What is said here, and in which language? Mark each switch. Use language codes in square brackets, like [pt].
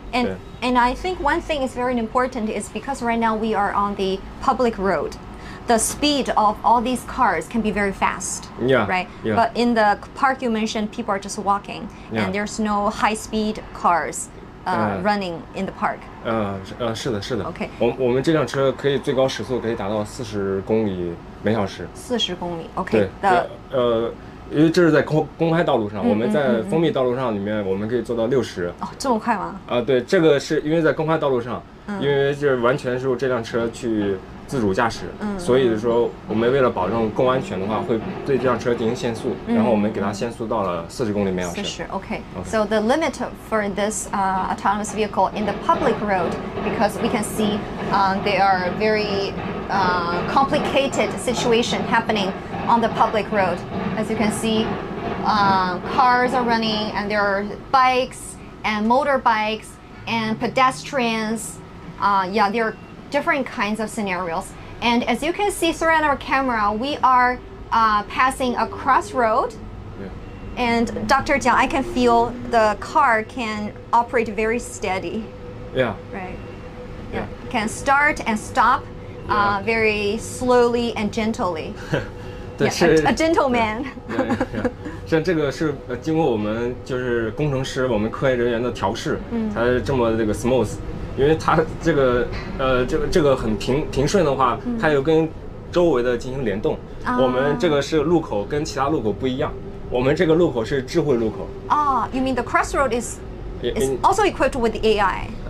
[en] And I think one thing is very important is because right now we are on the public road. The speed of all these cars can be very fast. Yeah. Right. Yeah. But in the park you mentioned, people are just walking. Yeah. And there's no high speed cars running in the park. [zh] 是的是的。 [en] Okay. [zh] 我们这辆车可以最高时速可以达到40公里每小时。 40公里。 [en] Okay. [zh] 对。因为这是在公开道路上，我们在封闭道路上里面，我们可以做到60。哦，这么快吗？对，这个是因为在公开道路上，因为这完全是这辆车去自主驾驶，所以说我们为了保证更安全的话，会对这辆车进行限速，然后我们给它限速到了40公里每小时。 [en] 40, okay. So the limit for this autonomous vehicle in the public road, because we can see they are very complicated situation happening on the public road. As you can see, cars are running, and there are bikes and motorbikes and pedestrians. There are different kinds of scenarios. And as you can see through our camera, we are passing a crossroad. Yeah. And Dr. Jiang, I can feel the car can operate very steady. Yeah. Right. Yeah. It can start and stop very slowly and gently. [zh] 对 [en] yeah, a gentleman. Yeah. [zh] 像这个是经过我们就是工程师我们科研人员的调试它这么这个 smooth, 因为它这个这个很平顺的话它又跟周围的进行联动我们这个是路口跟其他路口不一样我们这个路口是智慧路口。 [en] You mean the crossroad is also equipped with AI?